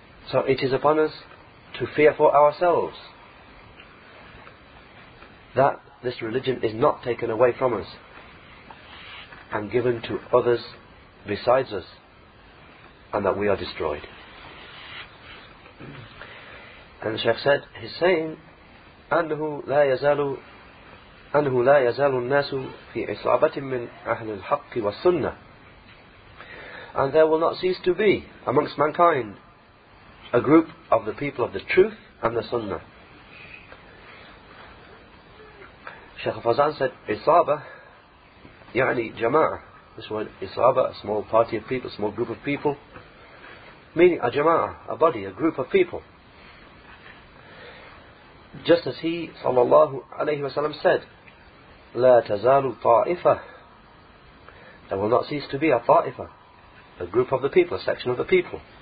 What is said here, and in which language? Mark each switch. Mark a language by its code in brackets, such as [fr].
[en] So it is upon us to fear for ourselves that this religion is not taken away from us and given to others besides us, and that we are destroyed. And the Sheikh said, he's saying, [ar] أنه لا يزال الناس في إصابة من أهل الحق والسنة. [en] And there will not cease to be amongst mankind a group of the people of the truth and the sunnah. Shaykh Fazan said, [ar] إصابة يعني جماعة. [en] This word isaba, a small party of people, a small group of people, meaning a jama'ah, a body, a group of people. Just as he, sallallahu alayhi wa sallam, said, [ar] لا تزال طائفة. [en] There will not cease to be a طائفة, a group of the people, a section of the people.